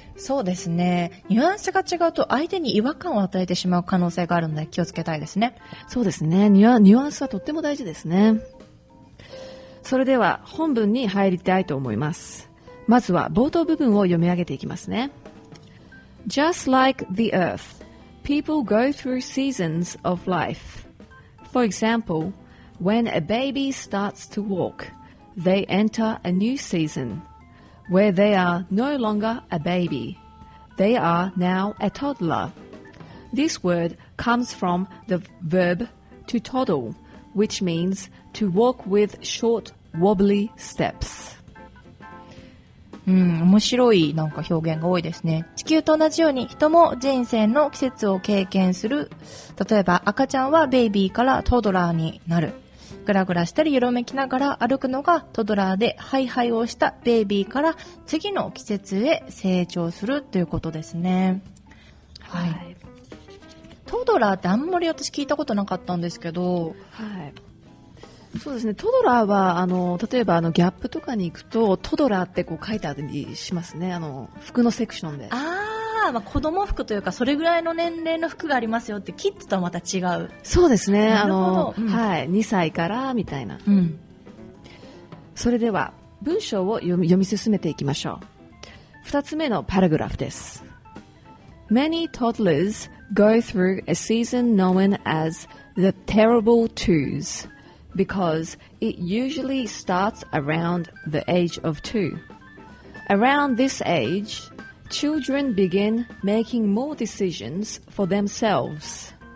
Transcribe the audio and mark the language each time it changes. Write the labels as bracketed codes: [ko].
[ja] そうですね、ニュアンスが違うと相手に違和感を与えてしまう可能性があるので気をつけたいですね。そうですね、ニュアンスはとっても大事ですね。それでは本文に入りたいと思います。まずは冒頭部分を読み上げていきますね。 [en] Just like the earth, people go through seasons of life. For example, when a baby starts to walk, they enter a new seasonWhere they are no longer a baby. They are now a toddler. This word comes from the verb to toddle, which means to walk with short, wobbly steps. [ja] 面白いなんか表現が多いですね。地球と同じように人も人生の季節を経験する。例えば赤ちゃんはベイビーからトドラーになる。グラグラしたりよろめきながら歩くのがトドラーで、ハイハイをしたベイビーから次の季節へ成長するということですね、はい、トドラーってあんまり私聞いたことなかったんですけど、はい、そうですね、トドラーは例えばギャップとかに行くとトドラーってこう書いてあったりしますね、服のセクションで。あ、まあ、子供服というかそれぐらいの年齢の服がありますよって、キッズとはまた違う。そうですね、はい、2歳からみたいな、うん、それでは文章を読み進めていきましょう。 2つ目のパラグラフです。 [en] Many toddlers go through a season known as the terrible twos because it usually starts around the age of two. Around this ageChildren begin making more decisions for themselves.